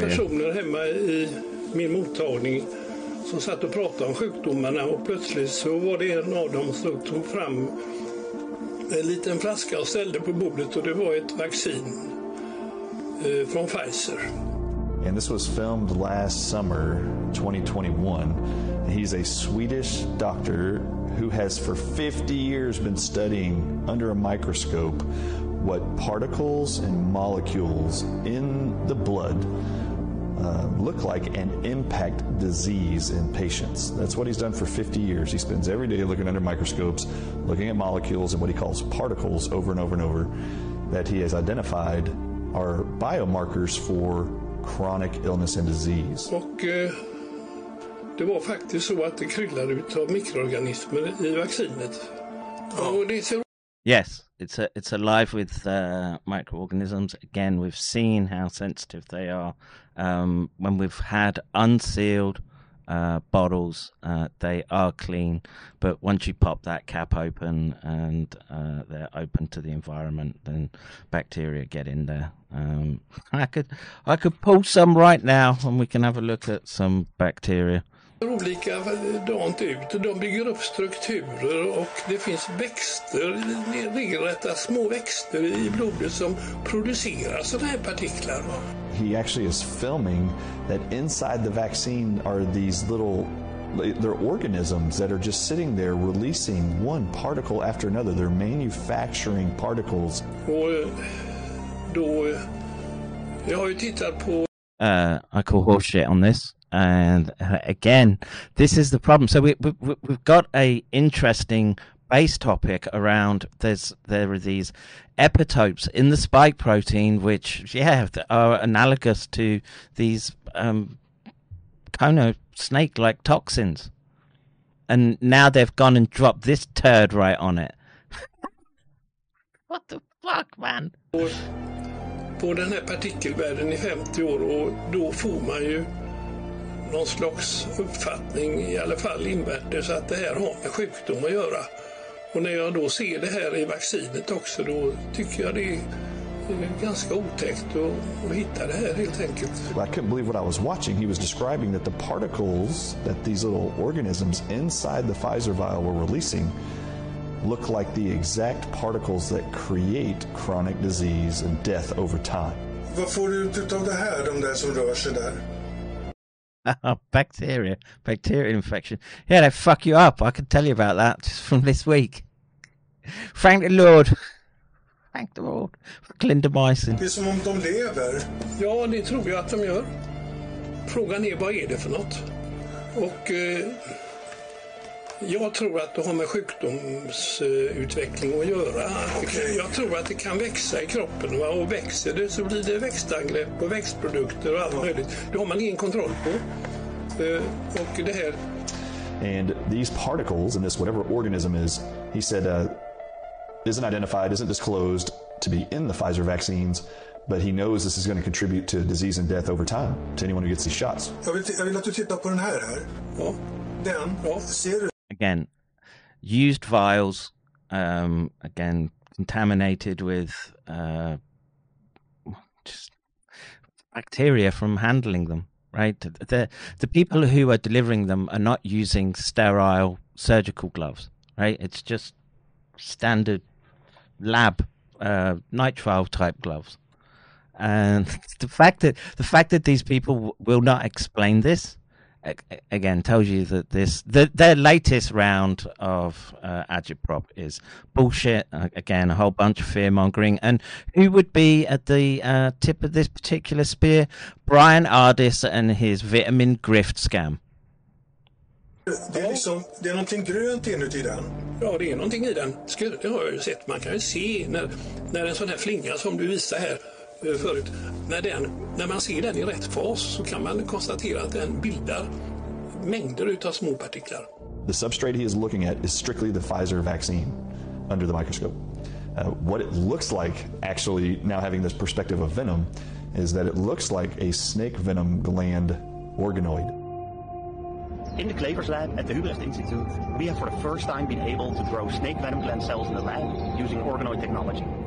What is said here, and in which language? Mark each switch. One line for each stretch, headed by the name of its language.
Swedish: Personer hemma i min mottagning som satt och pratade om sjukdomarna, och plötsligt så var det en av dem som tog fram en liten flaska och ställde på bordet, och det var ett vaccin från Pfizer.
English: And this was filmed last summer, 2021. He's a Swedish doctor who has for 50 years been studying under a microscope what particles and molecules in the blood look like and impact disease in patients. That's what he's done for 50 years. He spends every day looking under microscopes, looking at molecules and what he calls particles over and over and over, that he has identified are biomarkers for chronic illness and disease.
Swedish: Och det var faktiskt så att det kryllade ut av mikroorganismer i vaccinet.
English: Yes, it's alive with microorganisms. Again, we've seen how sensitive they are. When we've had unsealed bottles, they are clean. But once you pop that cap open and they're open to the environment, then bacteria get in there. I could pull some right now and we can have a look at some bacteria.
Swedish: Olika dant ut. De bygger upp strukturer, och det finns växter, regelrätta små växter i blodet som producerar sådana här partiklar.
English: He actually is filming that inside the vaccine are these little, they're organisms that are just sitting there releasing one particle after another. They're manufacturing particles.
Swedish: Och då, jag har ju tittat på...
English: I call horseshit on this. And again, this is the problem. So we've got a interesting base topic around there are these epitopes in the spike protein, which are analogous to these kind of snake-like toxins. And now they've gone and dropped this turd right on it. What the fuck, man?
Swedish: På den här partikelvärlden i 50 år, och då får man ju någon slags uppfattning, i alla fall invärtes, att det här har med sjukdom att göra. Och när jag då ser det här i vaccinet också, då tycker jag det är ganska otäckt att hitta det här helt enkelt.
English: I couldn't believe what I was watching. He was describing that the particles that these little organisms inside the Pfizer vial were releasing look like the exact particles that create chronic disease and death over time.
Swedish: Vad får du ut av det här, de där som rör sig där?
English: Bacteria infection. Yeah, they fuck you up. I can tell you about that just from this week. Thank the Lord. Thank the Lord. Clindamycin.
Swedish: Det är som om de lever. Ja, det tror jag att de gör. Frågan är, vad är det för något? Och jag tror att det har med sjukdomsutveckling att göra. Okay. Jag tror att det kan växa i kroppen, va? Och växer det så blir det växtangrepp och växtprodukter och allt möjligt. Det har man ingen kontroll på. Och det här.
English: And these particles in this whatever organism is, he said, isn't identified, isn't disclosed to be in the Pfizer vaccines. But he knows this is going to contribute to disease and death over time to anyone who gets these shots.
Swedish: Jag vill att du tittar på den här. Ja. Den. Ja. Ser du?
English: Again, used vials, again, contaminated with just bacteria from handling them, right? The people who are delivering them are not using sterile surgical gloves, right? It's just standard lab nitrile type gloves. And the fact that these people will not explain this, again, tells you that their latest round of agitprop is bullshit. Again, a whole bunch of fear mongering. And who would be at the tip of this particular spear? Brian Ardis and his vitamin grift scam.
Swedish: Det är liksom, det är någonting grönt inuti den. Ja, det är någonting i den. Det har jag ju sett. Man kan ju se när en sån här flinga som du visar här. Förut. När man ser den i rätt fas så kan man konstatera att den bildar mängder utav små partiklar.
English: The substrate he is looking at is strictly the Pfizer vaccine under the microscope. What it looks like, actually, now having this perspective of Venom, is that it looks like a snake venom gland organoid. In the Clavers lab at the Hubrecht Institute, we have for the first time been able to grow snake venom gland cells in the lab using organoid technology.